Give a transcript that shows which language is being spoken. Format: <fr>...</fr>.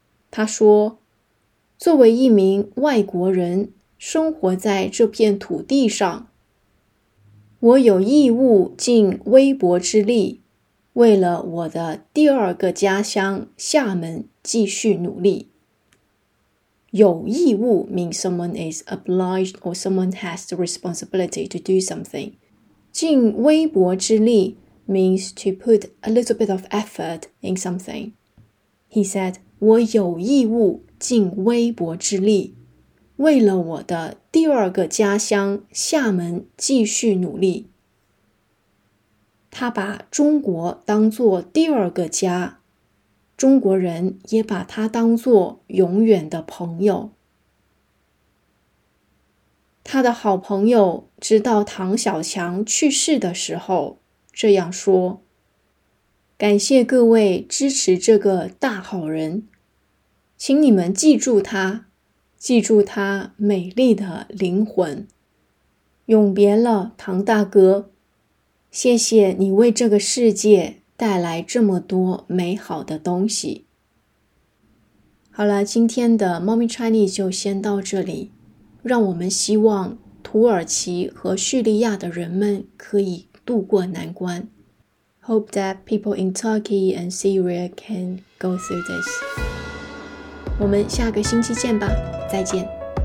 <zh>他说，作为一名外国人，生活在这片土地上，我有义务尽微薄之力，为了我的第二个家乡厦门继续努力。</zh> <en>有义务 means someone is obliged or someone has the responsibility to do something. 尽微薄之力 means to put a little bit of effort in something. He said,</en> <zh>我有义务尽微薄之力，为了我的第二个家乡厦门继续努力。他把中国当作第二个家，中国人也把他当作永远的朋友。他的好朋友直到唐小强去世的时候这样说，感谢各位支持这个大好人，请你们记住他，记住他美丽的灵魂。永别了唐大哥，谢谢你为这个世界带来这么多美好的东西。好了，今天的猫咪 Chinese 就先到这里。让我们希望土耳其和叙利亚的人们可以渡过难关。</zh> <en>Hope that people in Turkey and Syria can go through this.</en> <zh>我们下个星期见吧，再见。</zh>